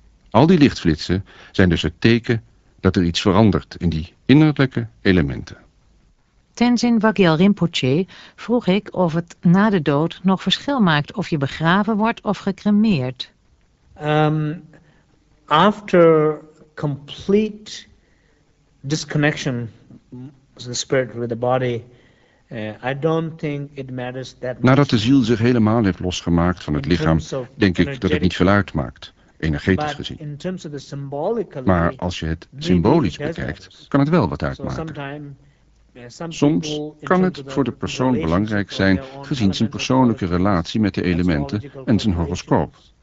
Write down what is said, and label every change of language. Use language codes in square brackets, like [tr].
[nl] Al die lichtflitsen zijn dus het teken dat er iets verandert in die innerlijke elementen. Tenzin Wagyal Rinpoche vroeg ik of het na de dood nog verschil maakt of je begraven wordt of gecremeerd. [en] After complete disconnection of the spirit with the body, I don't think it matters that much. [nl] Nadat de ziel zich helemaal heeft losgemaakt van het lichaam, denk ik dat het niet veel uitmaakt, energetisch gezien. Maar als je het symbolisch bekijkt, kan het wel wat uitmaken. Soms kan het voor de persoon belangrijk zijn, gezien zijn persoonlijke relatie met de elementen en zijn horoscoop.